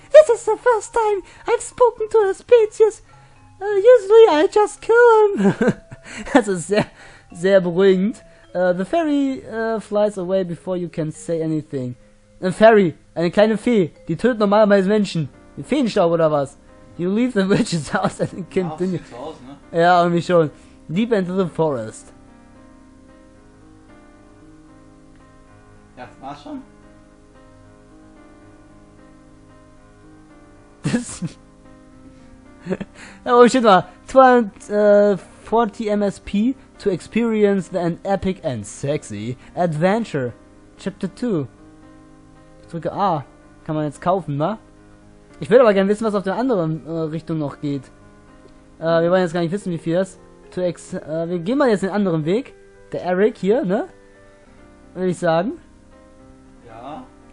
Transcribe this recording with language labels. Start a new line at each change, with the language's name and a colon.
English: This is the first time I've spoken to a species. Usually I just kill him.
German: Das ist sehr, sehr beruhigend.
English: The fairy flies away before you can say anything. A fairy,
German: eine kleine Fee, die tötet normalerweise Menschen. Feenstaub oder was?
English: You leave the witch's house and continue.
German: Ja, aus, ne? Ja, irgendwie schon.
English: Deep into the forest.
German: Ja, war's schon? Das.
English: Oh shit,
German: war.
English: 240 MSP to experience an epic and sexy adventure.
German: Chapter 2. Ich drücke A. Kann man jetzt kaufen, ne? Ich würde aber gerne wissen, was auf der anderen Richtung noch geht. Wir wollen jetzt gar nicht wissen, wie viel das ist. Wir gehen mal jetzt den anderen Weg. Der Eric hier, ne? Würde ich sagen. Ja.